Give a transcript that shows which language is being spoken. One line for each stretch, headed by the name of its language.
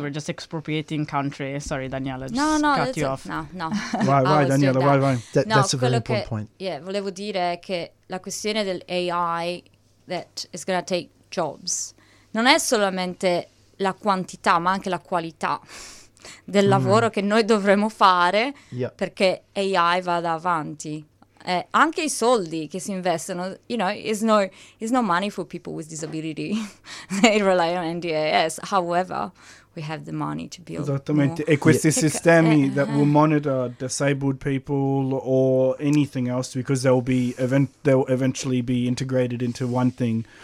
English: We're just expropriating country. Sorry, Daniela, cut you off. No. Why, Daniela? Why? That's a very important point.
Italian: Yeah, volevo dire che la questione del AI
English: that is going to take jobs
Italian: non è solamente la quantità, ma anche la qualità del lavoro che noi dovremo fare perché AI vada avanti. Anche I soldi che si investono,
English: you know, it's no money for people with disability. They rely on NDIS. However, we have the money to build.
Italian: Esattamente. E questi sistemi
English: that will monitor disabled people or anything else, because they'll eventually be integrated into one thing.